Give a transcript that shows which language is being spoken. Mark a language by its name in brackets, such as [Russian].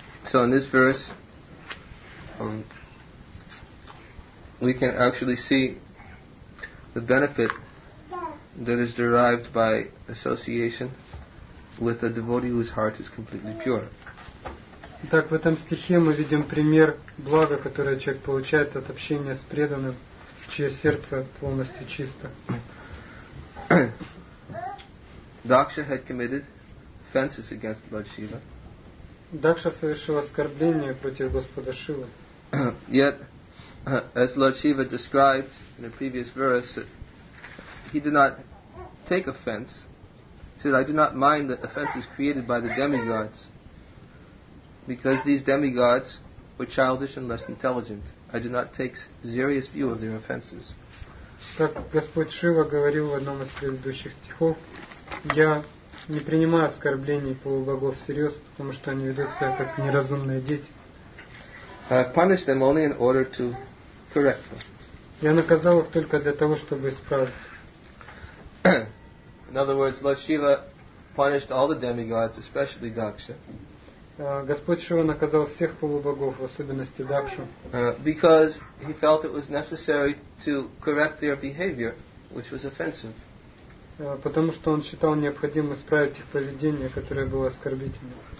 [English] So in this verse, we can actually see the benefit that is derived by association with a devotee whose heart is completely pure. [Russian] Итак, в этом стихе мы видим пример блага, которое человек получает от общения с преданным, чье сердце полностью чисто. [English] Daksha had committed offenses against Lord Shiva. [Russian] Дакша совершил оскорбление против Господа Шивы. [English] Yet, as Lord Shiva described in a previous verse, he did not take offense. He said, I do not mind the offenses created by the demigods. Because these demigods were childish and less intelligent, I do not take serious view of their offenses. [Russian] Как Господь Шива говорил в одном из предыдущих стихов, я не принимаю оскорблений полубогов всерьез, потому что они ведут себя как неразумные дети. [English] I punish them only in order to correct them. [Russian] Я наказал их только для того, чтобы исправить. [English] In other words, Lord Shiva punished all the demigods, especially Daksha. [Russian] Господь Шива наказал всех полубогов, в особенности Дакшу. [English] Because he felt it was necessary to correct their behavior, which was offensive. [Russian] Потому что он считал необходимым исправить их поведение, которое было оскорбительным.